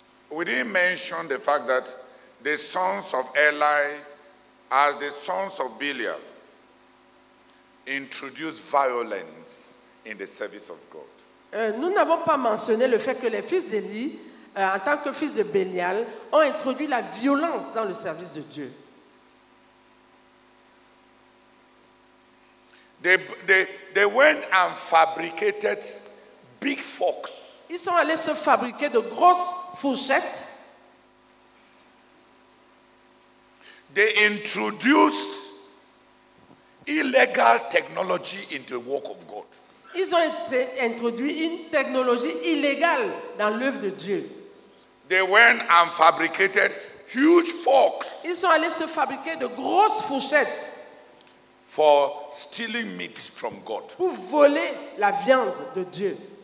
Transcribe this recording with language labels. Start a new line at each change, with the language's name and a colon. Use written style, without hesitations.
English: We didn't mention the fact that the sons of Eli, as the sons of Belial, introduced violence in the service of God.
French: Nous n'avons pas mentionné le fait que les fils d'Eli, en tant que fils de Belial, ont introduit la violence dans le service de Dieu.
English: They went and fabricated big forks.
French: Ils sont allés se fabriquer de grosses fourchettes.
English: They introduced illegal technology into the work of God.
French: Ils ont introduit une technologie illégale dans l'œuvre de Dieu.
English: They went and fabricated huge forks.
French: Ils sont allés se fabriquer de grosses fourchettes.
English: For stealing meat from God.
French: Pour voler la viande de Dieu.